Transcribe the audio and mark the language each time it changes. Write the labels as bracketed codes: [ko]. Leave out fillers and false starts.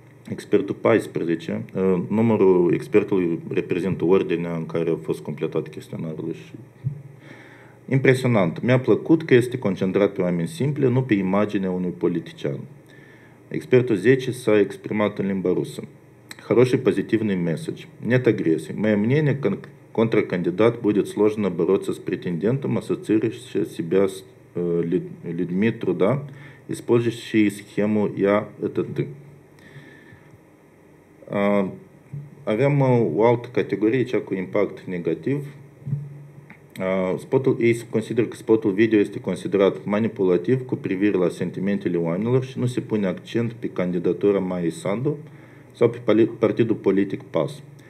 [ro] Expertul 14, numărul expertului reprezintă ordinea în care a fost completat chestionarul. Și... impresionant. Mi-a plăcut că este concentrat pe oameni simple, nu pe imaginea unui politician. Expertul 10 s-a exprimat în limba rusă. [ru] Хороший pozitivный message. Нет агрессии. Мое мнение, контракандидат будет сложно бороться с претендентом, ассоциирующим себя с людьми труда, использующий схему «я – это ты». [ro] Avem o altă categorie, cea cu impact negativ. Spotul, ei consideră că spotul video este considerat manipulativ cu privire la sentimentele oamenilor și nu se pune accent pe candidatura Maia Sandu sau pe partidul politic PAS.